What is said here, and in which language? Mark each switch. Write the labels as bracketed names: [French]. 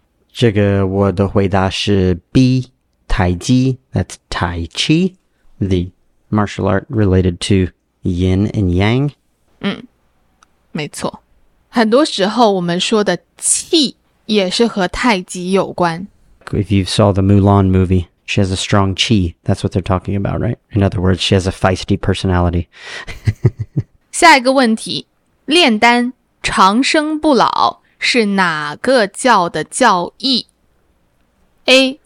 [Chinese] 这个我的回答是 [English] B, 太极 ,That's Tai Chi, the martial art related to yin and yang. [Chinese] 嗯没错。很多时候我们说的气也是和太极有关。 [English] If you saw the Mulan movie, she has a strong qi. That's what they're talking about, right? In other words, she has a feisty personality. [Chinese] 下一个问题，炼丹、长生不老是哪个教的教义 ？A.